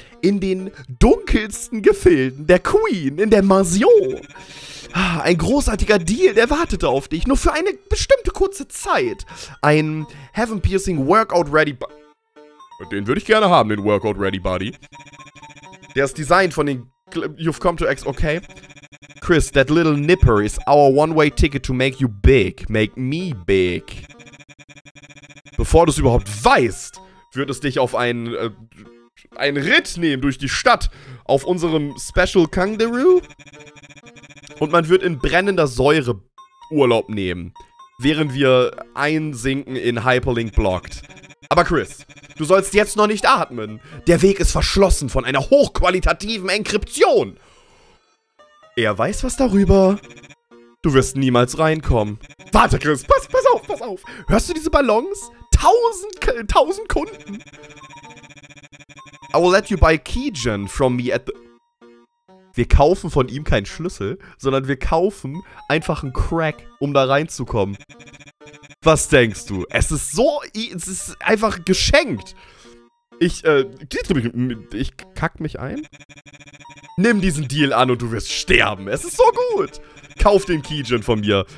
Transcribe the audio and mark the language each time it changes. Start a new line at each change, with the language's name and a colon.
German: In den dunkelsten Gefilden der Queen, in der Mansion. Ein großartiger Deal, der wartete auf dich. Nur für eine bestimmte kurze Zeit. Ein Heaven-Piercing-Workout-Ready-Body. Den würde ich gerne haben, den Workout-Ready-Body. Der ist designed von den...
English: You've come to X, okay. Chris, that little nipper is our one-way ticket to make you big. Make me big.
German: Bevor du es überhaupt weißt, wird es dich auf einen Ritt nehmen durch die Stadt auf unserem Special Kangaroo. Und man wird in brennender Säure Urlaub nehmen, während wir einsinken in Hyperlink Blocked. Aber Chris, du sollst jetzt noch nicht atmen. Der Weg ist verschlossen von einer hochqualitativen Enkryption. Er weiß was darüber. Du wirst niemals reinkommen. Warte, Chris, pass auf. Hörst du diese Ballons? 1000 Kunden.
English: I will let you buy keygen from me at the...
German: Wir kaufen von ihm keinen Schlüssel, sondern wir kaufen einfach einen Crack, um da reinzukommen. Was denkst du? Es ist einfach geschenkt. Ich kack mich ein. Nimm diesen Deal an und du wirst sterben. Es ist so gut. Kauf den Keygen von mir.